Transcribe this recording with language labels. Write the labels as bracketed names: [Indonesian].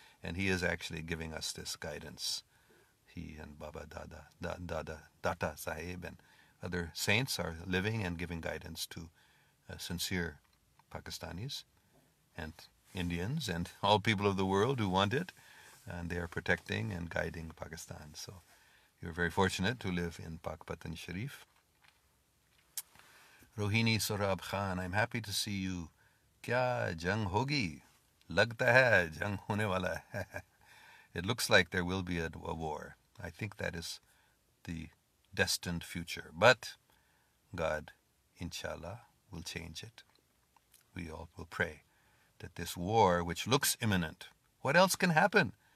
[English] And he is actually giving us this guidance. He and Baba Dada Sahib and other saints are living and giving guidance to sincere Pakistanis and Indians and all people of the world who want it. And they are protecting and guiding Pakistan. So you're very fortunate to live in Pak Patan Sharif. Rohini Sorab Khan, I'm happy to see you. [Urdu] کیا جنگ ہوگی؟ لگتا ہے جنگ ہونے والا. [English] It looks like there will be a war. I think that is the destined future. But God, inshallah, will change it. We all will pray that this war, which looks imminent, what else can happen?